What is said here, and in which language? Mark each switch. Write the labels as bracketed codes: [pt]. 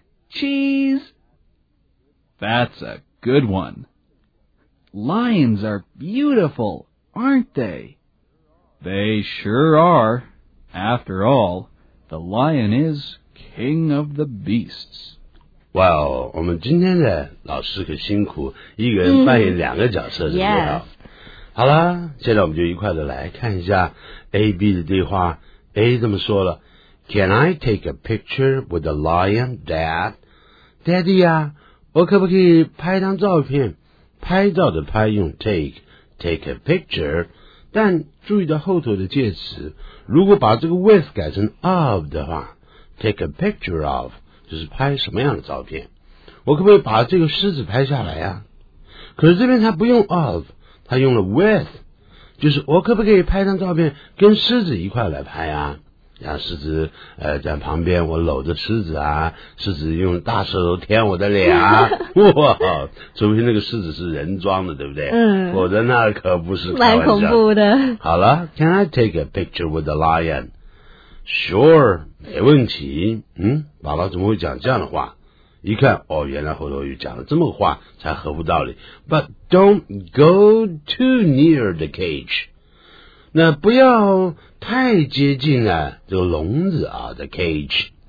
[en] Cheese. That's a good one. Lions are beautiful. Aren't they? They sure are. After all, the lion is king of the beasts. [zh] Well, 我们今天的老师可辛苦，一个人扮演两个角色，是不是？好啦，现在我们就一块的来看一下 AB 的对话。 [en] A [zh] 这么说了， [en] Can I take a picture with the lion, Dad? [zh] Daddy 啊，我可不可以拍一张照片？拍照的拍用 take。 [en] Take a picture, [zh] 但注意到后头的介词，如果把这个 with 改成 of 的话， [en] take a picture of [zh] 就是拍什么样的照片。我可不可以把这个狮子拍下来啊？可是这边他不用 of， 他用了 with， 就是我可不可以拍张照片跟狮子一块来拍啊？让狮子在旁边，我搂着狮子啊，狮子用大舌头舔我的脸啊，哇！除非那个狮子是人装的，对不对？嗯，否则那可不是开玩笑。蛮恐怖的。 [en] 好了 ，Can I take a picture with the lion? [zh] Sure， 没问题。嗯，宝宝怎么会讲这样的话？一看，哦，原来后头又讲了这么个话，才合乎道理。 [en] But don't go too near the cage。 [zh] 那不要太接近了，这个笼子啊 ，the cage。